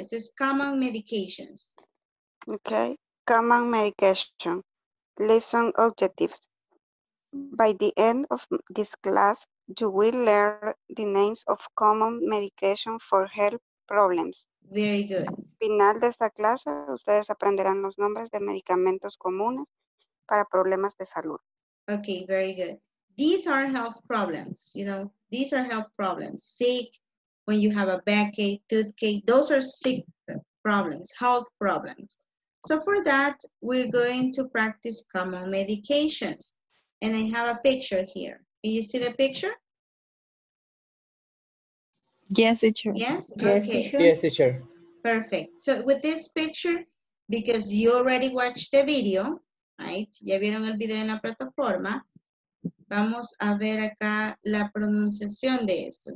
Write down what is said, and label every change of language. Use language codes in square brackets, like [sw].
[en] It says common medications. Okay, common medication. Lesson objectives. By the end of this class, you will learn the names of common medication for health problems. Very good. [es] Final de esta clase, ustedes aprenderán los nombres de medicamentos comunes para problemas de salud. [en] Okay, very good. These are health problems, you know, these are health problems. Sick, when you have a backache, toothache, those are sick problems, health problems. So for that, we're going to practice common medications. And I have a picture here. Can you see the picture? Yes, teacher. Yes? Okay. Yes, teacher. Perfect. So with this picture, because you already watched the video, right? [es] Ya vieron el video en la plataforma. Vamos a ver acá la pronunciación de esto.